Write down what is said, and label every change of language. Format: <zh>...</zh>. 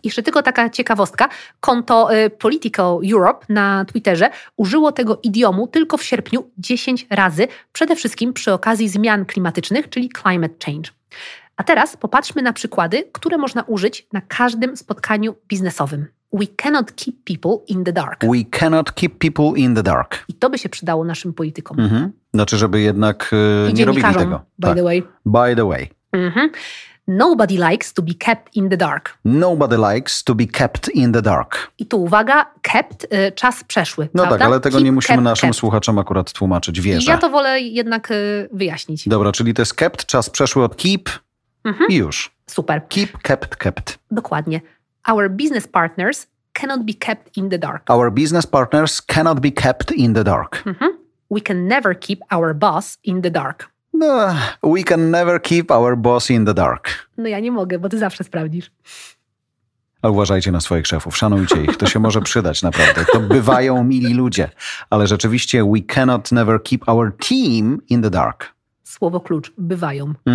<pl>Jeszcze tylko taka ciekawostka. Konto Political Europe na Twitterze użyło tego idiomu tylko w sierpniu 10 razy, przede wszystkim przy okazji zmian klimatycznych, czyli climate change. A teraz popatrzmy na przykłady, które można użyć na każdym spotkaniu biznesowym.</pl> <en>We cannot keep people in the dark. We cannot keep people in the dark.</en> <pl>I to by się przydało naszym politykom. Znaczy, żeby jednak nie robili tego.</pl> <en>By the way. Nobody likes to be kept in the dark. Nobody likes to be kept in the dark.</en> <pl>I tu uwaga, kept, czas przeszły, no prawda? Tak, ale tego keep, nie musimy kept, naszym kept. Słuchaczom akurat tłumaczyć, wierzę. Ja to wolę jednak wyjaśnić. Dobra, czyli to jest kept, czas przeszły od keep i już. Super.</pl> <en>Keep, kept, kept.</en> <pl>Dokładnie.</pl> <en>Our business partners cannot be kept in the dark. Our business partners cannot be kept in the dark. We can never keep our boss in the dark. No, we can never keep our boss in the dark.</en> <pl>No ja nie mogę, bo ty zawsze sprawdzisz. A uważajcie na swoich szefów, szanujcie ich, to się może przydać naprawdę. To bywają mili ludzie, ale rzeczywiście</pl> <en>we cannot never keep our team in the dark.</en> <pl>Słowo klucz, bywają.</pl>